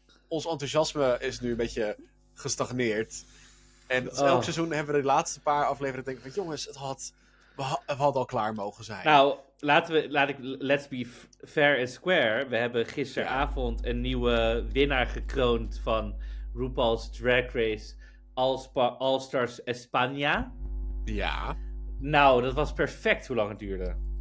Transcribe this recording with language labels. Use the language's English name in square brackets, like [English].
[Dutch] Ons enthousiasme is nu een beetje gestagneerd... En elk seizoen hebben we de laatste paar afleveringen denken van... Jongens, we hadden al klaar mogen zijn. [English] Nou, let's be fair and square. [Dutch] We hebben gisteravond een nieuwe winnaar gekroond van RuPaul's Drag Race All-Stars España. Ja. Nou, dat was perfect hoe lang het duurde.